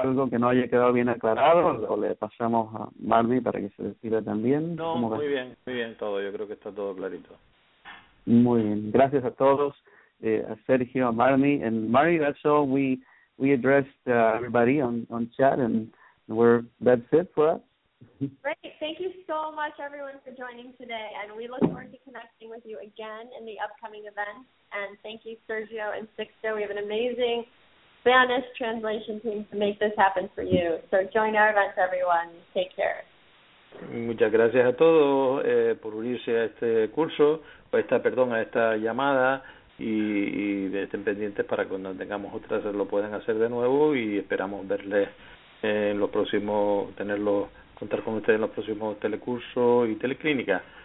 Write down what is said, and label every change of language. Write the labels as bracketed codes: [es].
[es] Algo que no haya quedado bien aclarado, o le pasamos a Marmi para que se despida también. No, muy bien todo. Yo creo que está todo clarito. Muy bien. Gracias a todos, a Sergio, a Marmi. [en] And Marmi, that's all we addressed everybody on chat, and that's it for us. Great. Thank you so much, everyone, for joining today. And we look forward to connecting with you again in the upcoming event. And thank you, Sergio and Sixto. We have an amazing Spanish translation team to make this happen for you. So join our events, everyone. Take care. [es] Muchas gracias a todos por unirse a este curso, o a esta llamada, y estén pendientes para cuando tengamos otras lo puedan hacer de nuevo, y esperamos verles en los próximos, contar con ustedes en los próximos telecursos y teleclínicas.